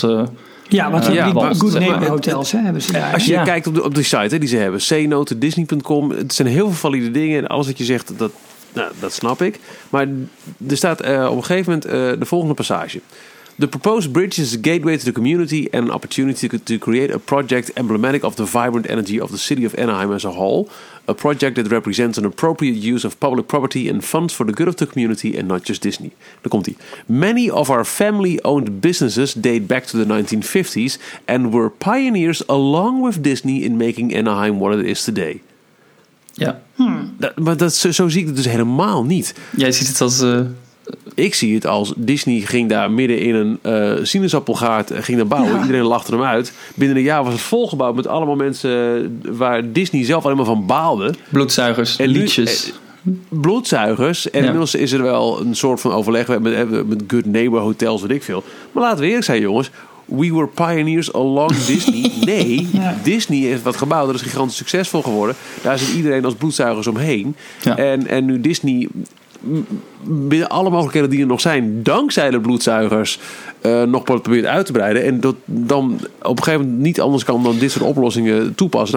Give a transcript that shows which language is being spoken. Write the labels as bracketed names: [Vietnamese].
[Dutch] Good name hotels hebben ze daar. Als je kijkt op de site die ze hebben, cnotendisney.com, het zijn heel veel valide dingen en alles wat je zegt, dat snap ik. Maar er staat op een gegeven moment de volgende passage. [English] The proposed bridge is a gateway to the community and an opportunity to create a project emblematic of the vibrant energy of the city of Anaheim as a whole. A project that represents an appropriate use of public property and funds for the good of the community and not just Disney. [Dutch] Daar komt-ie. [English] Many of our family-owned businesses date back to the 1950s and were pioneers along with Disney in making Anaheim what it is today. [Dutch] Ja. Maar zo zie ik het dus helemaal niet. Jij ziet het als... Ik zie het als Disney ging daar midden in een sinaasappelgaard ging daar bouwen. Ja. Iedereen lachte hem uit. Binnen een jaar was het volgebouwd met allemaal mensen waar Disney zelf alleen maar van baalde. Bloedzuigers, liedjes. Bloedzuigers. En inmiddels is er wel een soort van overleg met Good Neighbor Hotels, weet ik veel. Maar laten we eerlijk zijn, jongens. [English] We were pioneers along Disney. [Dutch] Nee, Disney heeft wat gebouwd. Dat is gigantisch succesvol geworden. Daar zit iedereen als bloedzuigers omheen. Ja. En nu Disney... binnen alle mogelijkheden die er nog zijn, dankzij de bloedzuigers, nog probeert uit te breiden. En dat dan op een gegeven moment niet anders kan dan dit soort oplossingen toepassen.